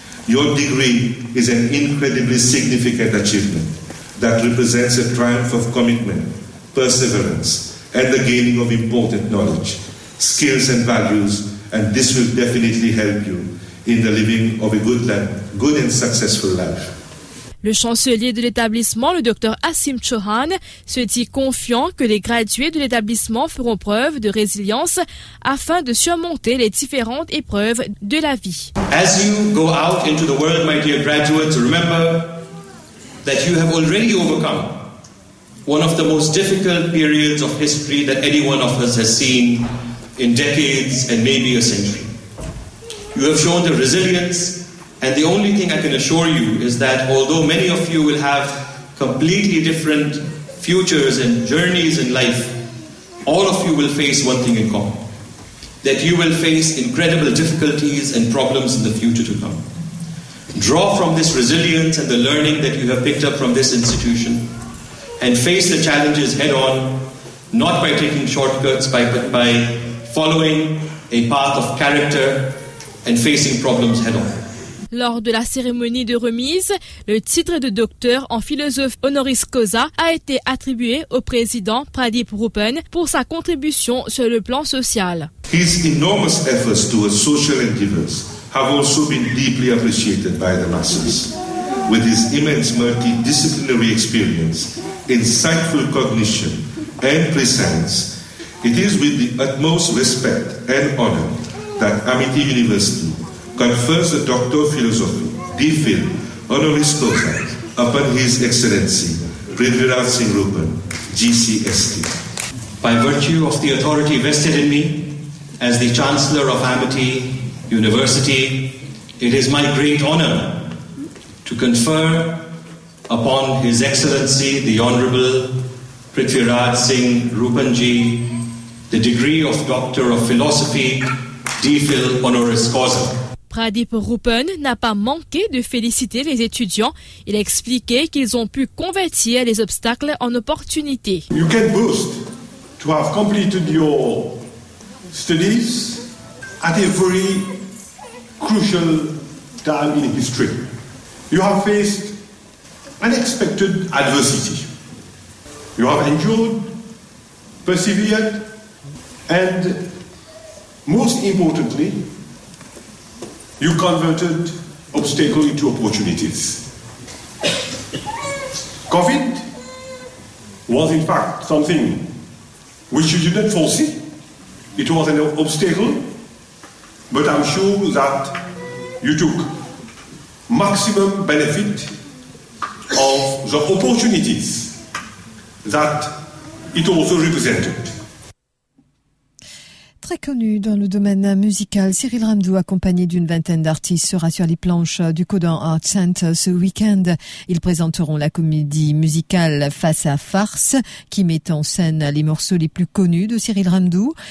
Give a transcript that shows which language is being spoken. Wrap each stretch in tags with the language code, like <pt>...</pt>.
<en>Your degree is an incredibly significant achievement that represents a triumph of commitment, perseverance, and the gaining of important knowledge, skills, and values, and this will definitely help you in the living of a good life, good and successful life.</en> <fr>Le chancelier de l'établissement, le Dr Asim Chauhan, se dit confiant que les gradués de l'établissement feront preuve de résilience afin de surmonter les différentes épreuves de la vie.</fr> <en>As you go out into the world, my dear graduates, remember that you have already overcome one of the most difficult periods of history that any one of us has seen in decades and maybe a century. You have shown the resilience, and the only thing I can assure you is that although many of you will have completely different futures and journeys in life, all of you will face one thing in common, that you will face incredible difficulties and problems in the future to come. Draw from this resilience and the learning that you have picked up from this institution and face the challenges head on, not by taking shortcuts, but by following a path of character and facing problems head on.</en> <fr>Lors de la cérémonie de remise, le titre de docteur en philosophie honoris causa a été attribué au président Pradeep Rupen pour sa contribution sur le plan social.</fr> <en>His enormous efforts towards social endeavors have also been deeply appreciated by the masses. With his immense multidisciplinary experience, insightful cognition and presence, it is with the utmost respect and honor that Amity University confers the Doctor of Philosophy, D.Phil, honoris causa, upon His Excellency, Prithviraj Singh Rupen, GCST. By virtue of the authority vested in me as the Chancellor of Amity University, it is my great honor to confer upon His Excellency, the Honorable Prithviraj Singh Rupenji, the degree of Doctor of Philosophy, D.Phil, honoris causa.</en> <fr>Pradeep Rupen n'a pas manqué de féliciter les étudiants. Il a expliqué qu'ils ont pu convertir les obstacles en opportunités.</fr> <en>You get boost to have completed your studies at a very crucial time in history. You have faced unexpected adversity. You have endured, persevered, and most importantly, you converted obstacles into opportunities. COVID was in fact something which you did not foresee. It was an obstacle, but I'm sure that you took maximum benefit of the opportunities that it also represented.</en> <fr>Très connu dans le domaine musical, Cyril Ramdou, accompagné d'une vingtaine d'artistes, sera sur les planches du Codan Art Center ce week-end. Ils présenteront la comédie musicale Face à Farce, qui met en scène les morceaux les plus connus de Cyril Ramdou.</fr>